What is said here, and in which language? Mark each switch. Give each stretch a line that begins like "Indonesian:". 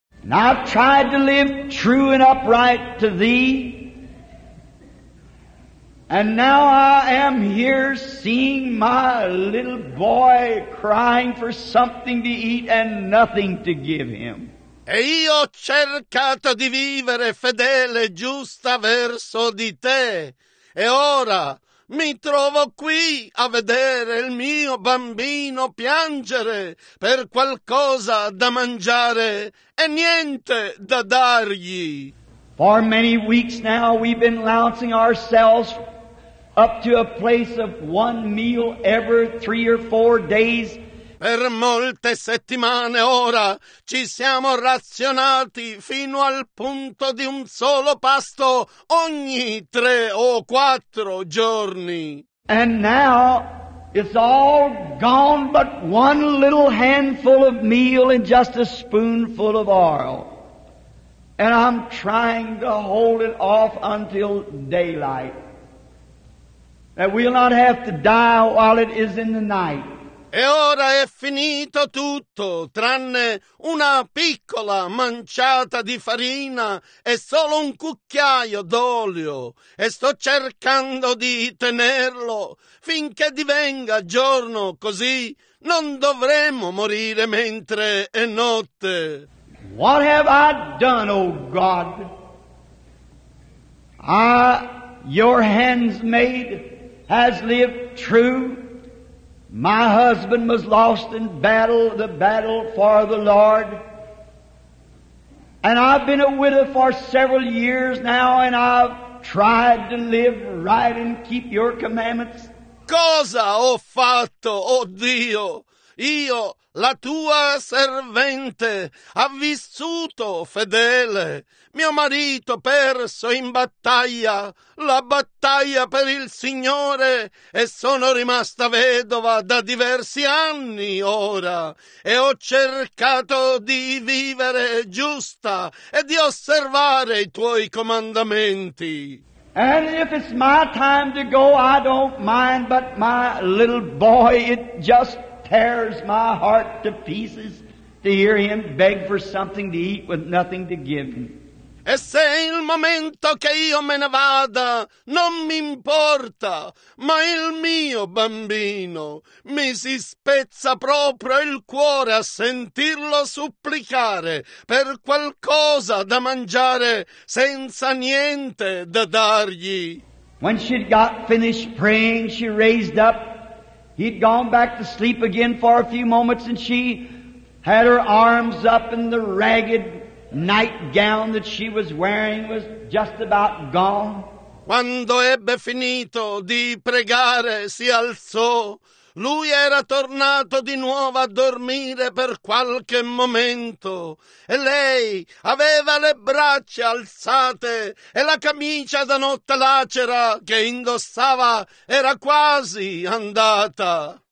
English: "And I've tried to live true and upright to Thee, and now I am here seeing my little boy crying for something to eat and nothing to give him."
Italian: "E io ho cercato di vivere fedele e giusta verso di te, e ora mi trovo qui a vedere il mio bambino piangere per qualcosa da mangiare e niente da dargli."
English: "For many weeks now we've been lousing ourselves up to a place of one meal every 3 or 4 days."
Italian: Per molte settimane ora ci siamo razionati fino al punto di un solo pasto ogni 3 o 4 giorni.
English: "And now it's all gone but one little handful of meal and just a spoonful of oil. And I'm trying to hold it off until daylight, that we'll not have to die while it is in the night."
Italian: "E ora è finito tutto, tranne una piccola manciata di farina e solo un cucchiaio d'olio, e sto cercando di tenerlo finché divenga giorno, così non dovremo morire mentre è notte."
English: "What have I done, O God? I, Your handmaid, has lived true My husband was lost in battle, the battle for the Lord. And I've been a widow for several years now, and I've tried to live right and keep your commandments.
Italian: Cosa ho fatto, oh Dio? Io, la tua servente, ho vissuto fedele. Mio marito perso in battaglia, la battaglia per il Signore, e sono rimasta vedova da diversi anni ora, e ho cercato di vivere giusta e di osservare i tuoi comandamenti.
English: And if it's my time to go, I don't mind, but my little boy, it just tears my heart to pieces to hear him beg for something to eat with nothing to give him.
Italian: E se il momento che io me ne vada non mi importa, ma il mio bambino, mi si spezza proprio il cuore a sentirlo supplicare per qualcosa da mangiare senza niente da dargli.
English: When she'd got finished praying, she raised up. He'd gone back to sleep again for a few moments, and she had her arms up in the ragged nightgown that she was wearing was just about gone.
Italian: Quando ebbe finito di pregare, si alzò. Lui era tornato di nuovo a dormire per qualche momento, e lei aveva le braccia alzate e la camicia da notte lacera che indossava era quasi andata.